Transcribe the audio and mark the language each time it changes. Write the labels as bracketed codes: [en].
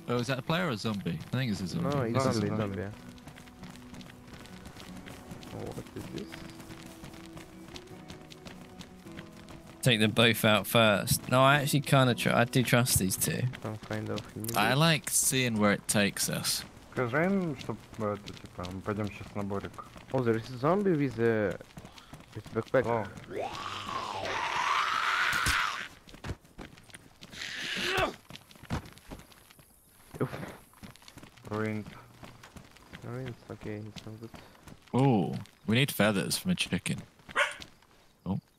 [en] Oh, is that a player or a zombie? I think it's a zombie. No, it's zombie. What is this? Take them both out first. No, I actually kind of trust these two. I'm kind of I like seeing where it takes us. [ru] расскажи им, чтобы это типа, мы пойдем сейчас на Борик. [en] Oh, there is a zombie with a with backpack. Oh. Ruined. Ruined, okay, it's not good. Oh, we need feathers from a chicken. Oh,